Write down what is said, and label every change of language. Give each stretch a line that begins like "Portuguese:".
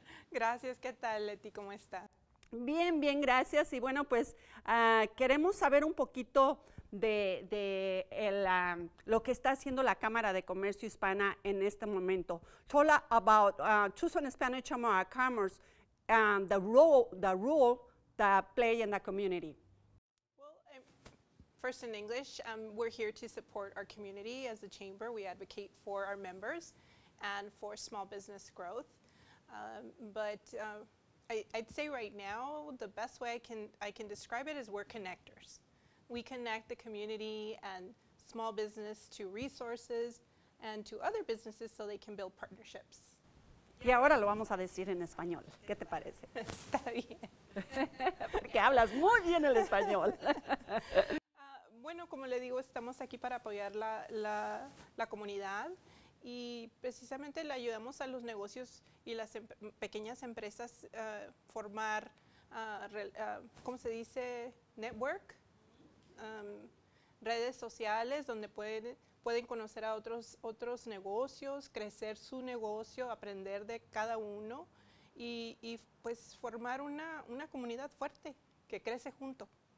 Spanish: Gracias, ¿qué tal, Leti? ¿Cómo estás? Bien, bien, gracias. Y bueno, pues queremos saber un poquito lo que está haciendo la Cámara de Comercio Hispana en este momento.
English: Hola, about Tucson Spanish Chamber of Commerce, the role that play in the community. First in English, we're here to support our community as a chamber. We advocate for our members and for small business growth. But I'd say right now, the best way I can describe it is we're connectors. We connect the community and small business to resources and to other businesses so they can build partnerships.
Spanish: Y ahora lo vamos a decir en español. ¿Qué te parece? Está bien. Porque hablas muy bien el español. Bueno, como le digo, estamos aquí para apoyar la comunidad y precisamente le ayudamos a los negocios y las pequeñas empresas formar network, redes sociales donde pueden conocer a otros negocios, crecer su negocio, aprender de cada uno y pues formar una comunidad fuerte que crece junto.